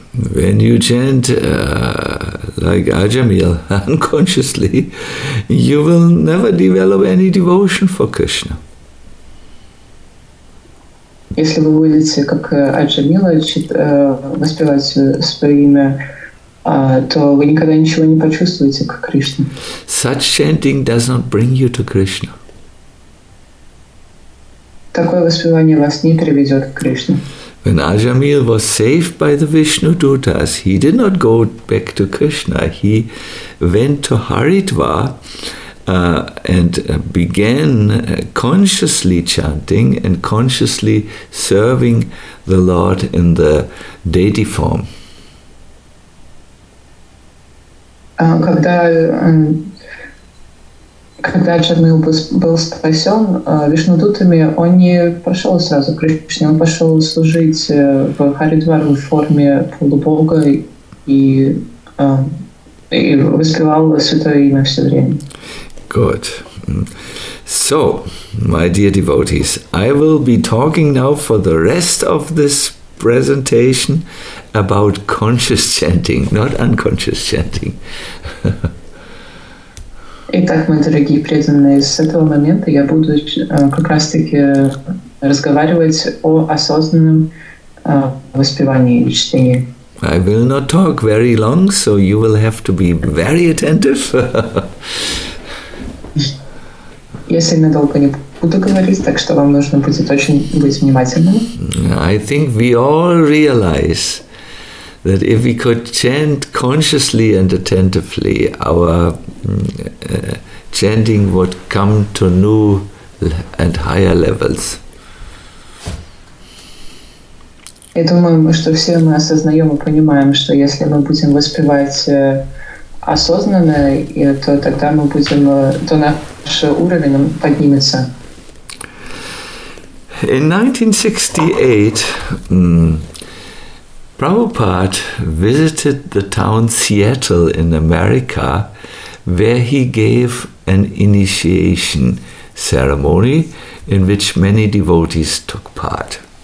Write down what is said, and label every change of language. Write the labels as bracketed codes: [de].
[en] When you chant like Ajamil unconsciously, you will never develop any devotion for Krishna. [ru] Если вы будете как Аджамила воспевать свое имя, то вы никогда ничего не почувствуете к Кришне. [en] Such chanting does not bring you to Krishna. [ru] Такое воспевание вас не приведет к Кришне. [en] When Ajamil was saved by the Vishnu Dutas, he did not go back to Krishna. He went to Haridwar And began consciously chanting and consciously serving the Lord in the deity form. [ru] Когда Чарнил был спасен вишнудутами, он не пошел сразу к Кришне, он пошел служить в Харидвар в форме полубога и воспевал святое имя все время. [en] Good. So, my dear devotees, I will be talking now for the rest of this presentation about conscious chanting, not unconscious chanting. [ru] Итак, мои дорогие преданные, с этого момента я буду как раз таки разговаривать о осознанном воспевании и чтении. [en] I will not talk very long, so you will have to be very attentive. [ru] Если надолго не буду говорить, так что вам нужно будет очень быть внимательным. [en] I think we all realize that if we could chant consciously and attentively, our chanting would come to new and higher levels. [ru] Я думаю, что все мы осознаем и понимаем, что если мы будем воспевать осознанно, то тогда мы будем, то наш уровень поднимется. [en] In 1968, Prabhupada visited the town Seattle in America, where he gave an initiation ceremony in which many devotees took part.